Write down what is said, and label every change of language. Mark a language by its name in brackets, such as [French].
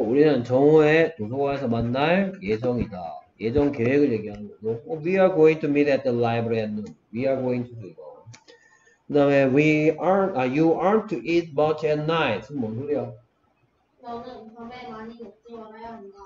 [Korean] 우리는 정오에 도서관에서 만날 예정이다. 예정 계획을 얘기하는 거죠. [English] We are going to meet at the library at noon. We are going to do it. [Korean] 그다음에 [English] we aren't, you aren't to eat much at night. [Korean] 뭔 소리야? 너는 밤에 많이 먹지 말아야 한다.